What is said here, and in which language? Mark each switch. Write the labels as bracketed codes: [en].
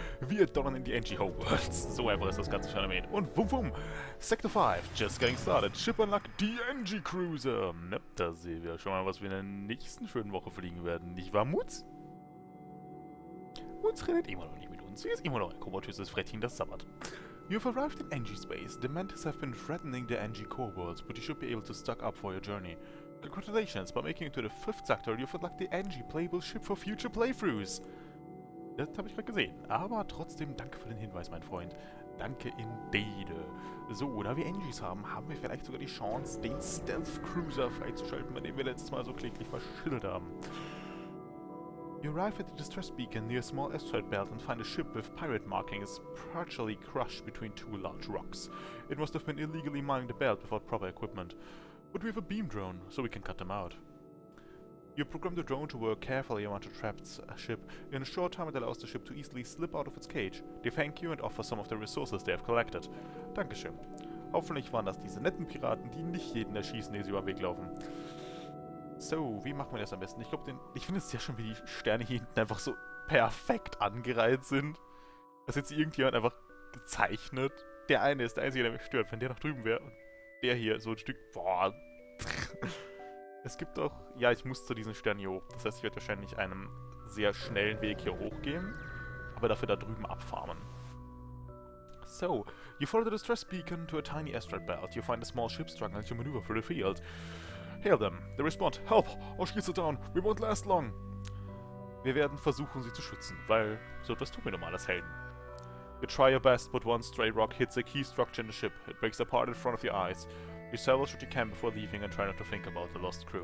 [de] Wir donnern in die NG Homeworlds. So einfach ist das ganze Phänomen. Und wum wum, Sector 5, [en] just getting started. Ship and luck, [de] die NG Cruiser. Ne, da sehen wir schon mal, was wir in der nächsten schönen Woche fliegen werden. Nicht wahr, Mutz? Mutz redet immer noch nicht mit uns. Sie ist immer noch ein komatöses Frettchen, das sabbert. [en] You've arrived in NG Space. The Mantis have been threatening the NG Core Worlds, but you should be able to stock up for your journey. Congratulations, by making it to the 5th Sector, you've unlocked the NG playable ship for future playthroughs. [de] Das habe ich gerade gesehen. Aber trotzdem, danke für den Hinweis, mein Freund. Danke [en] indeed. [de] So, da wir NGs haben, haben wir vielleicht sogar die Chance, den Stealth Cruiser freizuschalten, bei dem wir letztes Mal so kläglich verschüttelt haben. [en] You arrive at the distress beacon near a small asteroid belt and find a ship with pirate markings partially crushed between two large rocks. It must have been illegally mining the belt without proper equipment. But we have a beam drone, so we can cut them out. You program the drone to work carefully around a trapped ship. In a short time, it allows the ship to easily slip out of its cage. They thank you and offer some of the resources they have collected. [de] Dankeschön. Hoffentlich waren das diese netten Piraten, die nicht jeden erschießen, der sie über den Weg laufen. So, wie machen wir das am besten? Ich finde es sehr schön, wie die Sterne hier hinten einfach so perfekt angereiht sind. Dass jetzt irgendjemand einfach gezeichnet. Der eine ist der Einzige, der mich stört, wenn der noch drüben wäre. Und der hier so ein Stück. Boah. Es gibt auch. Ja, ich muss zu diesem Stern hier hoch. Das heißt, ich werde wahrscheinlich einen sehr schnellen Weg hier hochgehen. Aber dafür da drüben abfarmen. [en] So, you follow the distress beacon to a tiny asteroid belt. You find a small ship struggling to maneuver through the field. Hail them. They respond, help, or shoot it down. We won't last long. [de] Wir werden versuchen, sie zu schützen, weil so etwas tun wir normal als Helden. [en] You try your best, but one stray rock hits a key structure in the ship. It breaks apart in front of your eyes. You salvage what you can before leaving and try not to think about the lost crew.